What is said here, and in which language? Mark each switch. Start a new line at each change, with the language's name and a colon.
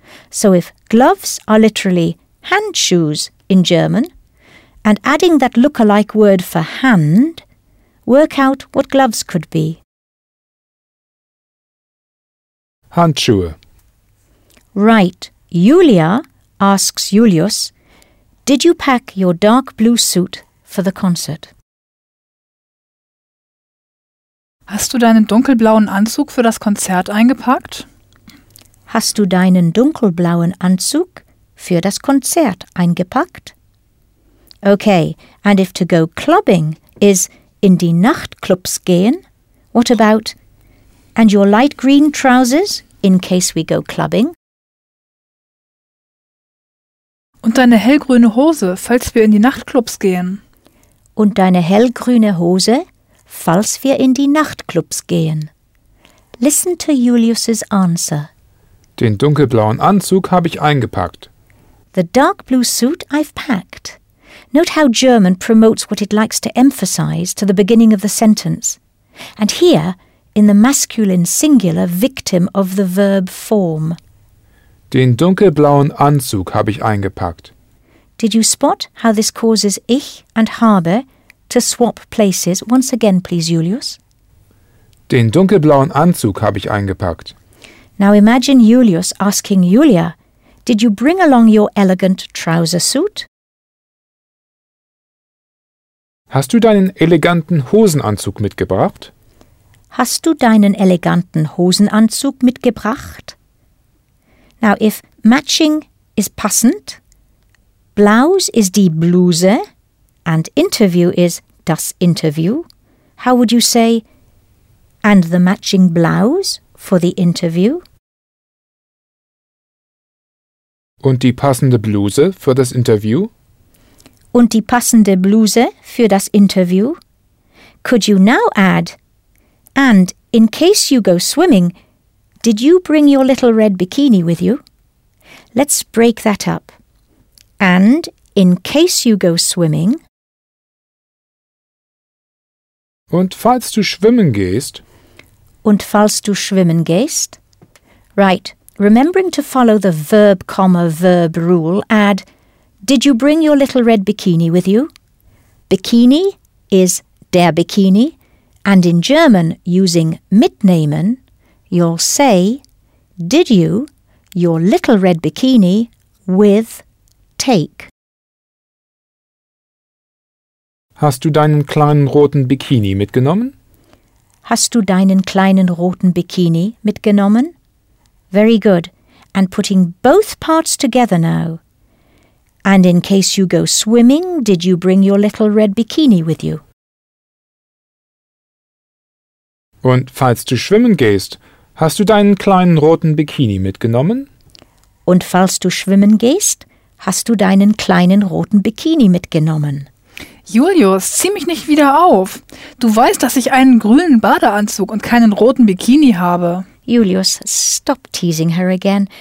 English: So if gloves are literally handshoes in German, and adding that look-alike word for hand, work out what gloves could be.
German: Handschuhe.
English: Right. Julia asks Julius, did you pack your dark blue suit for the concert?
German: Hast du deinen dunkelblauen Anzug für das Konzert eingepackt? Hast du deinen dunkelblauen Anzug für das Konzert eingepackt?
English: Okay, and if to go clubbing is
German: in die Nachtclubs gehen,
English: what about and your light green trousers in case we go clubbing?
German: Und deine hellgrüne Hose, falls wir in die Nachtclubs gehen. Und deine hellgrüne Hose, falls wir in die Nachtclubs gehen.
English: Listen to Julius's answer.
German: Den dunkelblauen Anzug habe ich eingepackt.
English: The dark blue suit I've packed. Note how German promotes what it likes to emphasize to the beginning of the sentence. And here, in the masculine singular victim of the verb form.
German: Den dunkelblauen Anzug habe ich eingepackt.
English: Did you spot how this causes ich and habe to swap places? Once again, please, Julius.
German: Den dunkelblauen Anzug habe ich eingepackt.
English: Now imagine Julius asking Julia, did you bring along your elegant trouser suit?
German: Hast du deinen eleganten Hosenanzug mitgebracht? Hast du deinen eleganten Hosenanzug mitgebracht?
English: Now, if matching is passend, blouse is die Bluse, and interview is das Interview, how would you say, and the matching blouse for the interview?
German: Und die passende Bluse für das Interview? Und die passende Bluse für das Interview?
English: Could you now add, and in case you go swimming, did you bring your little red bikini with you? Let's break that up. And in case you go swimming.
German: Und falls du schwimmen gehst. Und falls du schwimmen gehst.
English: Right. Remembering to follow the verb, comma, verb rule, add, did you bring your little red bikini with you? Bikini is der Bikini. And in German, using mitnehmen, you'll say, did you your little red bikini with take?
German: Hast du deinen kleinen roten Bikini mitgenommen? Hast du deinen kleinen roten Bikini mitgenommen?
English: Very good. And putting both parts together now. And in case you go swimming, did you bring your little red bikini with you?
German: Und falls du schwimmen gehst, hast du deinen kleinen roten Bikini mitgenommen? Und falls du schwimmen gehst, hast du deinen kleinen roten Bikini mitgenommen. Julius, zieh mich nicht wieder auf. Du weißt, dass ich einen grünen Badeanzug und keinen roten Bikini habe.
English: Julius, stop teasing her again.